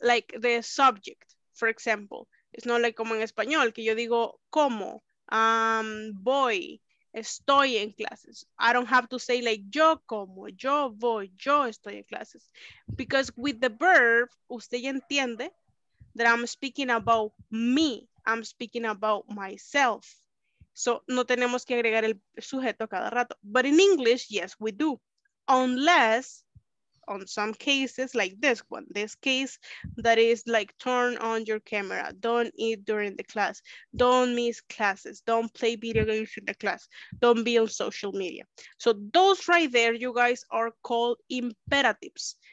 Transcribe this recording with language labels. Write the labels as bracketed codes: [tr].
[en] Like the subject, for example. It's not like [es] como en español, que yo digo, como, voy, estoy en clases. [en] I don't have to say like, [es] yo como, yo voy, yo estoy en clases. [en] Because with the verb, [es] usted ya entiende, [en] that I'm speaking about me, I'm speaking about myself. [es] So, no tenemos que agregar el sujeto cada rato. [en] But in English, yes, we do. Unless, on some cases like this one, this case that is like, turn on your camera, don't eat during the class, don't miss classes, don't play video games in the class, don't be on social media. So, those right there, you guys, are called imperatives.